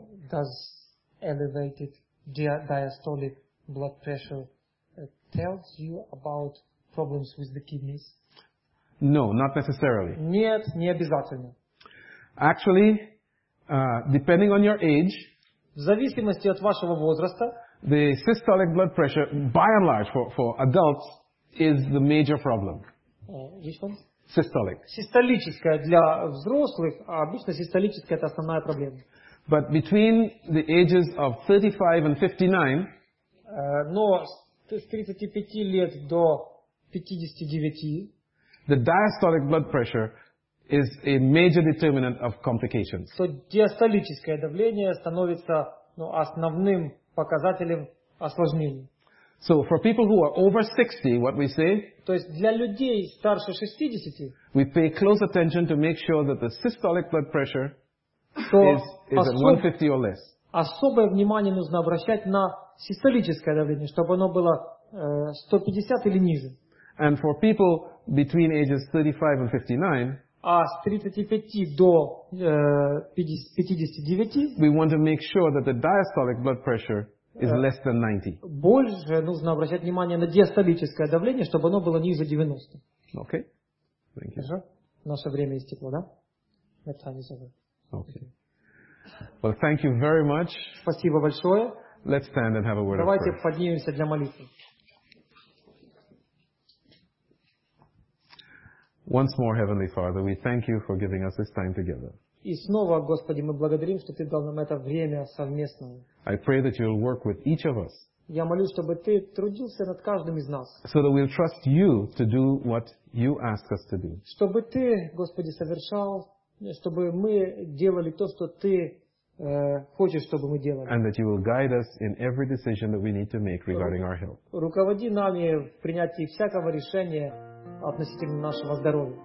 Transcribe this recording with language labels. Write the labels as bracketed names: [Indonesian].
[English] Does elevated diastolic blood pressure tells you about problems with the kidneys? No, not necessarily. [Russian] Нет, не обязательно. [English] Actually, depending on your age, [Russian] в зависимости от вашего возраста, [English] the systolic blood pressure, by and large, for adults, is the major problem. Which one? Systolic. [Russian] Систолическая для взрослых, а обычно систолическая это основная проблема. [English] But between the ages of 35 and 59, [Russian] но с 35 лет до 59, [English] the diastolic blood pressure is a major determinant of complications. [Russian] То диастолическое давление становится основным показателем осложнений. [English] So for people who are over 60, what we say? [Russian] То есть для людей старше 60, [English] we pay close attention to make sure that the systolic blood pressure is at 150 or less. [Russian] Особое внимание нужно обращать на систолическое давление, чтобы оно было 150 или ниже. [English] And for people between ages 35 and 59, [Russian] а с 35 до 59, [English] we want to make sure that the diastolic blood pressure is less than 90. [Russian] Больше нужно обращать внимание на диастолическое давление, чтобы оно было ниже 90. [English] Okay. Thank you. [Russian] Хорошо. Наше время истекло, да? [English] My time is over. Okay. Well, thank you very much. [Russian] Спасибо большое. [English] Let's stand and have a word of prayer. [Russian] Давайте поднимемся для молитвы. [English] Once more, Heavenly Father, we thank you for giving us this time together. [Russian] И снова, Господи, мы благодарим, что ты дал нам это время совместное. [English] I pray that you'll work with each of us. [Russian] Я молюсь, чтобы ты трудился над каждым из нас. [English] So that we'll trust you to do what you ask us to do. [Russian] Чтобы ты, Господи, совершал, чтобы мы делали то, что ты хочешь, чтобы мы делали. [English] And that you will guide us in every decision that we need to make regarding our health. [Russian] Руководи нами в принятии всякого решения относительно нашего здоровья.